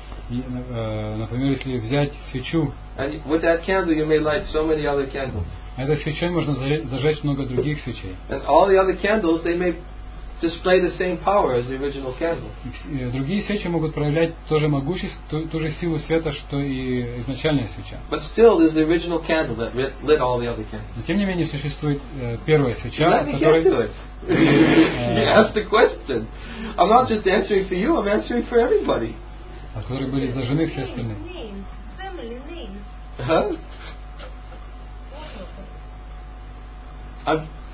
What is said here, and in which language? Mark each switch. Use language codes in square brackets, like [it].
[ru] Например, если взять свечу, [en] and with that candle you may light so many other candles. [ru] Этой свечой можно зажечь много других свечей. [en] And all the other candles, they may display the same power as the original candle. [ru] Другие свечи могут проявлять то же могущество, ту же силу света, что и изначальная свеча. [en] But still, there's the original candle that lit all the other candles. [ru] Но тем не менее существует первая свеча, которая. [en] You asked the question. I'm not just answering for you. I'm answering for everybody. [ru] А которые были зажжены все остальные. [en] Names, family names. Huh?